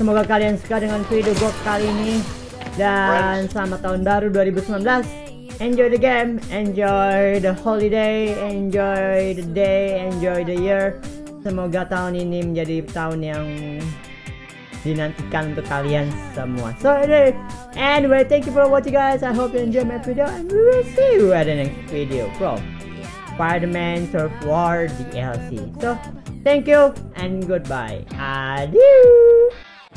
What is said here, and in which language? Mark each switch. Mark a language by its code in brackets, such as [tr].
[id] Semoga kalian suka dengan video gue kali ini. Dan selamat tahun baru 2019. [en] Enjoy the game, enjoy the holiday, enjoy the day, enjoy the year. [id] Semoga tahun ini menjadi tahun yang dinantikan untuk kalian semua. [en] So anyway, thank you for watching guys. I hope you enjoy my video and we will see you at the next video from Spider-Man Turf War DLC. So thank you and goodbye. Adieu.